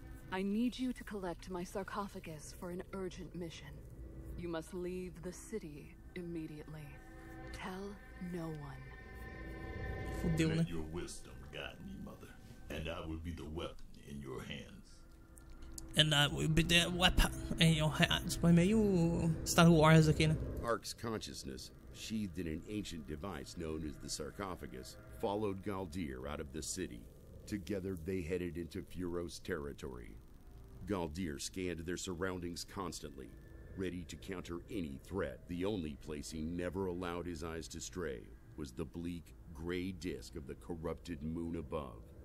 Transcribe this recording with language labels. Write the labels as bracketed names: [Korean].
[English] I need you to collect my sarcophagus for an urgent mission. You must leave the city immediately. Tell no one. [Portuguese] Fudeu, né? [English] Let your wisdom guide me, mother, and I will be the weapon in your hands. And I will be the weapon in your hands. [Portuguese] Foi meio Star Wars aqui, né? [English] Ark's consciousness, sheathed in an ancient device known as the sarcophagus, followed Galdir out of the city. Together, they headed into Furos territory. Galdir scanned their surroundings constantly, ready to counter any threat. The only place he never allowed his eyes to stray was the bleak, gray disk of the corrupted moon above.